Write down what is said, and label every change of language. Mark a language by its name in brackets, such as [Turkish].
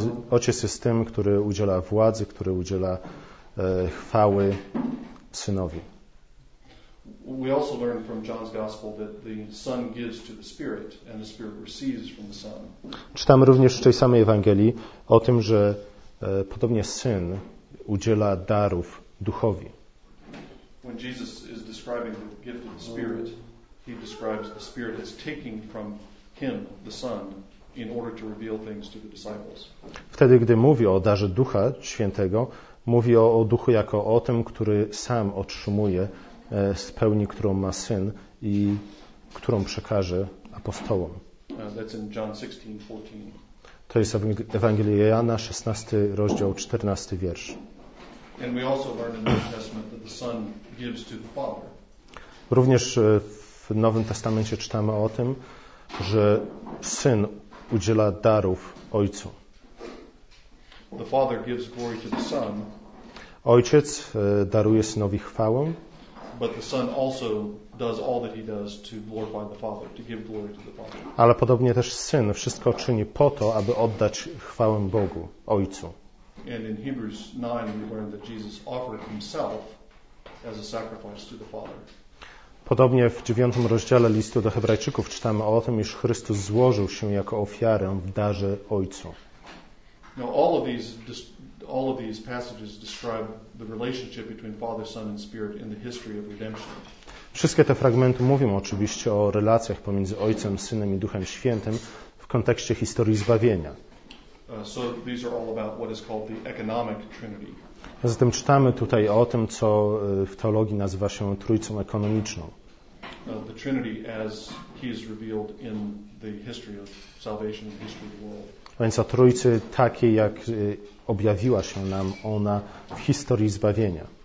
[Polish] Ojciec jest tym, który udziela władzy, który udziela chwały Synowi. [English] We also learn from John's gospel that the Son gives to the Spirit and the Spirit receives from the Son. [Polish] Czytamy również w tej samej Ewangelii o tym, że podobnie Syn udziela darów Duchowi. [English] When Jesus is describing the gift of the Spirit, he describes the Spirit as taking from him the Son in order to reveal things to the disciples. [Polish] Wtedy gdy mówi o darze Ducha Świętego, mówi o Duchu jako o tym, który sam otrzymuje spełni, którą ma Syn i którą przekaże apostołom. [English] That's in John 16:14. [Polish] To jest Ewangelia Jana, 16 rozdział, 14 wiersz. [English] And we also learn in the New Testament that the Son gives to the Father. [Polish] Również w Nowym Testamencie czytamy o tym, że Syn udziela darów Ojcu. [English] The Father gives glory to the Son. [Polish] Ojciec daruje Synowi chwałę. [English] But the Son also does all that he does to glorify the Father, to give glory to the Father. [Polish] Ale podobnie też Syn wszystko czyni po to, aby oddać chwałę Bogu, Ojcu. [English] And in Hebrews 9 we learn that Jesus offered himself as a sacrifice to the Father. [Polish] Podobnie w 9 rozdziale listu do Hebrajczyków czytamy o tym, iż Chrystus złożył się jako ofiarę w darze Ojcu. [English] Now all of these passages describe the relationship between Father, Son and Spirit in the history of redemption. [Polish] Wszystkie te fragmenty mówią oczywiście o relacjach pomiędzy Ojcem, Synem i Duchem Świętym w kontekście historii zbawienia. [English] So these are all about what is called the economic trinity. [Polish] Zatem czytamy tutaj o tym, co w teologii nazywa się trójcą ekonomiczną. [English] The trinity as he is revealed in the history of salvation and history of the world. [Polish] A więc o Trójcy takiej, jak objawiła się nam ona w historii zbawienia.